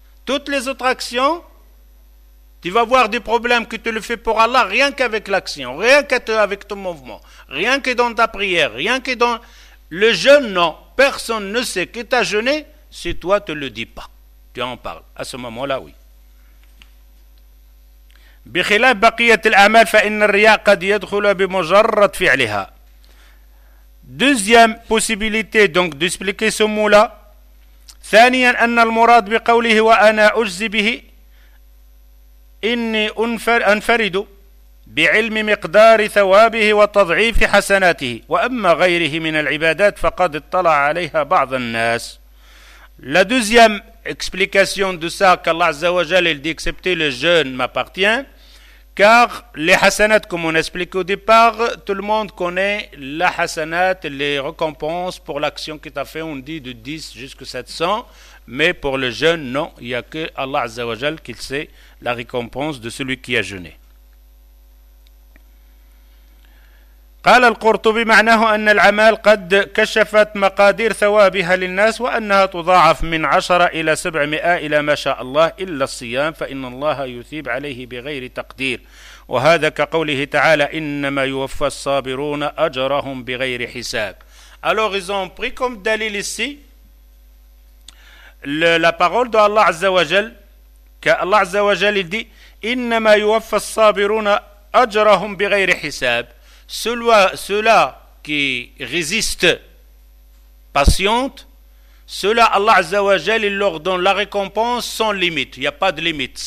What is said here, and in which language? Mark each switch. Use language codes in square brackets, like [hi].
[fr] Toutes les autres actions, tu vas voir des problèmes que tu le fais pour Allah rien qu'avec l'action, rien qu'avec ton mouvement, rien que dans ta prière, rien que dans le jeûne, non, personne ne sait que tu as jeûné si toi tu ne le dis pas. Tu en parles. À ce moment-là, oui. [ar] بخلاف بقية الأعمال فإن الرياء قد يدخل بمجرد فعلها. [fr] Deuxième possibilité donc d'expliquer ce mot-là. [ar] ثانيا أن المراد بقوله وأنا أجزي به إني أنفرد بعلم مقدار ثوابه وتضعيف حسناته، وأما غيره من العبادات فقد اطلع عليها بعض الناس. [fr] La deuxième explication de ça, qu'Allah Azza wa Jal dit accepter le jeûne m'appartient, car les hasanat, comme on explique au départ, tout le monde connaît la hasanat, les récompenses pour l'action qu'il a fait, on dit de 10 jusqu'à 700, mais pour le jeûne, non, il n'y a que Allah Azza wa Jal qui sait la récompense de celui qui a jeûné. [ar] قال القرطبي معناه أن الأعمال قد كشفت مقادير ثوابها للناس وأنها تضاعف من 10 إلى 700 إلى ما شاء الله إلا الصيام فإن الله يثيب عليه بغير تقدير وهذا كقوله تعالى إنما يوفى الصابرون أجرهم بغير حساب. [fr] Alors ils ont pris comme dalil ici la parole de Allah Azza wa Jal, qu'Allah Azza wa Jal il dit [ar] إنما يوفى الصابرون أجرهم بغير حساب. [fr] Ceux-là qui résistent, patientent, ceux-là, Allah Azza wa Jal, il leur donne la récompense sans limite. Il n'y a pas de limite.